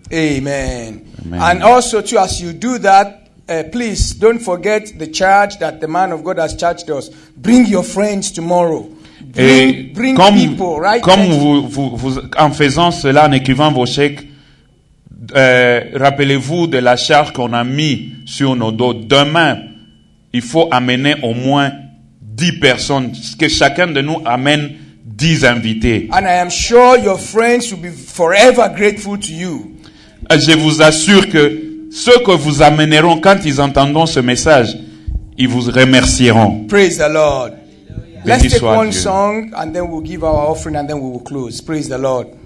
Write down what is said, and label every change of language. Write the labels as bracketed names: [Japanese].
[English] Amen. And also, too, as you do that, please don't forget the charge that the man of God has charged us. Bring your friends tomorrow. Bring comme, people, right? [French] Comme vous, en faisant cela, en écrivant vos chèques, rappelez-vous de la charge qu'on a mis sur nos dos. Demain, il faut amener au moins 10 personnes, que chacun de nous amène 10 invités. [English] And I am sure your friends will be forever grateful to you. [French] Je vous assure que ceux que vous amèneront, quand ils entendront ce message, ils vous remercieront. [English] Praise the Lord. Let's take one song and then we'll give our offering and then we will close. Praise the Lord.